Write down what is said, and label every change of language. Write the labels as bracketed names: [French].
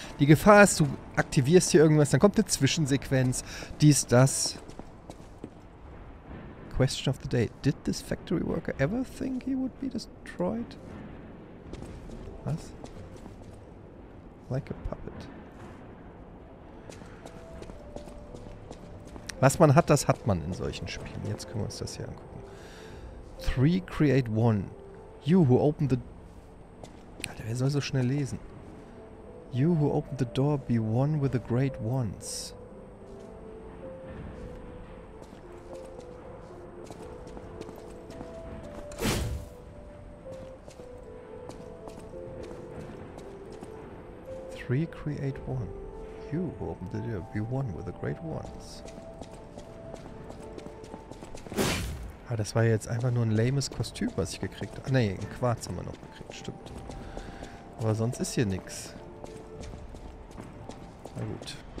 [German] Die Gefahr ist, du aktivierst hier irgendwas, dann kommt eine Zwischensequenz. Dies, das. [English] Question of the day. Did this factory worker ever think he would be destroyed? Was? Like a puppet. [German] Was man hat, das hat man in solchen Spielen. Jetzt können wir uns das hier angucken. [English] 3, create 1. You who opened the... [German] Wer soll so schnell lesen? [English] You who opened the door, be one with the great ones. Three create one. You who opened the door, be one with the great ones. [German] Ah, das war jetzt einfach nur ein lames Kostüm, was ich gekriegt habe. Nee, ein Quarz haben wir noch gekriegt, stimmt. Aber sonst ist hier nichts. Na gut.